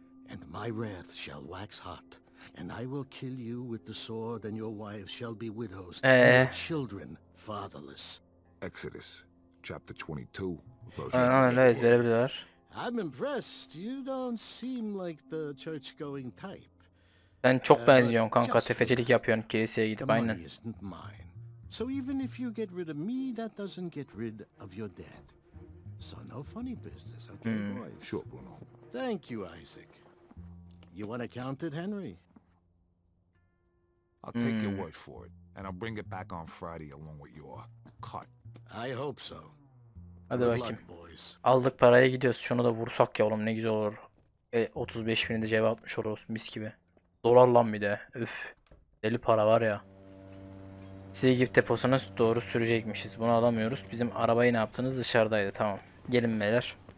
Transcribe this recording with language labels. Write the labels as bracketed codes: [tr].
[en] And my wrath shall wax hot, and I will kill you with the sword, and your wives shall be widows, and your children fatherless. Exodus, chapter 22, verse 24. I'm impressed. You don't seem like the church-going type. [tr] Sen çok benziyorsun kanka, tefecilik yapıyorsun, kiliseye gidip aynen. [en] The money isn't mine. So even if you get rid of me, that doesn't get rid of your debt. So no funny business, okay boys? Sure, Bruno. Thank you, Isaac. You want to count it, Henry? I'll take your word for it, and I'll bring it back on Friday along with your cut. I hope so. [tr] Hadi bakayım. Aldık paraya gidiyoruz. Şunu da vursak ya oğlum ne güzel olur. 35 bini de cevap atmış oluruz mis gibi. Dolar lan bir de. Üf. Deli para var ya. Silgip deposuna doğru sürecekmişiz. Bunu alamıyoruz. Bizim arabayı ne yaptınız? Dışarıdaydı. Tamam. Gelin beyler.